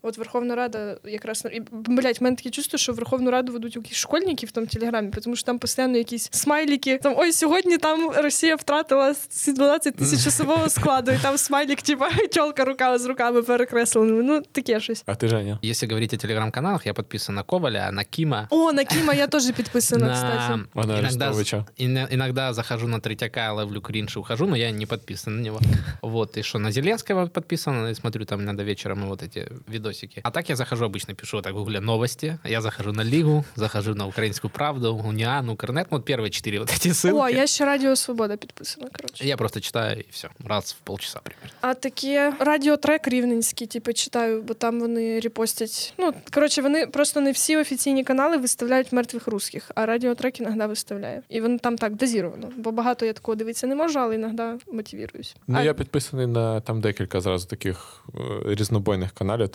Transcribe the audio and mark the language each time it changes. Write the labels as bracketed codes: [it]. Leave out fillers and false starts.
[uk] От Верховна Рада якраз і блять, в мене таке чувство, що Верховну Раду ведуть якісь школьники в тому телеграмі, тому що там постійно якісь смайліки. Там ой, сьогодні там Росія втратила 12 тисяч особового складу, і там смайлік, типу, чолка рука з руками перекресленими. Ну таке щось. А ти, Женя? Якщо говорити о телеграм-каналах, я підписана на Коваля, на Кіма. О, на Кіма я теж підписана, кстати. [ru] Иногда захожу на Третьяка, ловлю кринж и ухожу, но я не подписан на него. Вот, и что, на Зеленского подписан, и смотрю там иногда вечером вот эти видосики. А так я захожу, обычно пишу так в гугле новости, я захожу на Лигу, захожу на Украинскую правду, Униан, Укрнет, вот первые 4 вот эти ссылки. О, я еще Радио Свобода подписана, короче. Я просто читаю, и все, раз в полчаса примерно. [uk] А такие радиотрек рівненський, типа, читаю, бо там вони репостять. Ну, короче, вони просто не всі офіційні канали виставляють мертвих русских, а радіотрек иногда виставляє. І вони там так, дозіровано. Бо багато я такого дивитися не можу, але іноді мотивіруюсь. Ну, я підписаний на там декілька зразу таких різнобойних каналів.